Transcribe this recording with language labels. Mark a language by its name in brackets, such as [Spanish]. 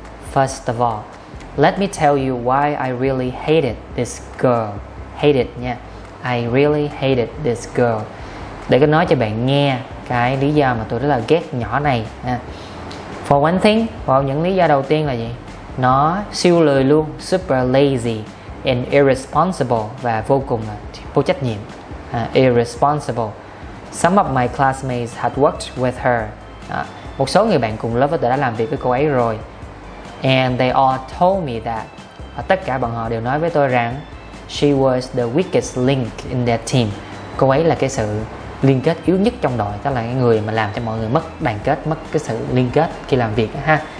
[English] First of all, let me tell you why I really hated this girl. Hated nha, I really hated this girl. [Vietnamese] Để có nói cho bạn nghe cái lý do mà tôi rất là ghét nhỏ này ha. [English] For one thing, [Vietnamese] vào những lý do đầu tiên là gì? Nó siêu lười luôn, [English] super lazy and irresponsible, [Vietnamese] và vô cùng là vô trách nhiệm, irresponsible. [English] Some of my classmates had worked with her. [Vietnamese] Một số người bạn cùng lớp đã làm việc với cô ấy rồi. [English] And they all told me that. [Vietnamese] Và tất cả bọn họ đều nói với tôi rằng [English] she was the weakest link in their team. [Vietnamese] Cô ấy là cái sự liên kết yếu nhất trong đội, đó là cái người mà làm cho mọi người mất đoàn kết, mất cái sự liên kết khi làm việc ha.